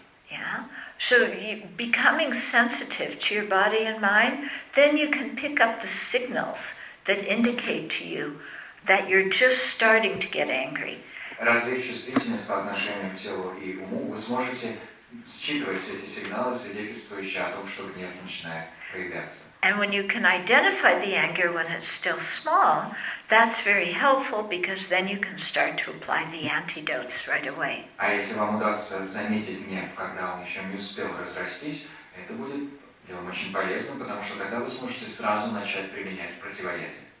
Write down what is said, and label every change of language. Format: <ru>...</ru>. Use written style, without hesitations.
<en>Yeah, so becoming sensitive to your body and mind, then you can pick up the signals that indicate to you that you're just starting to get angry.</en> <ru>Развив чувствительность по отношению к телу и уму, вы сможете считывать эти сигналы, свидетельствующие о том, что гнев начинает проявляться.</ru> <en>And when you can identify the anger when it's still small, that's very helpful because then you can start to apply the antidotes right away.</en> <ru>А если вам удастся заметить гнев, когда он еще не успел разрастись, это будет делом очень полезным, потому что тогда вы сможете сразу начать применять противоядие.</ru>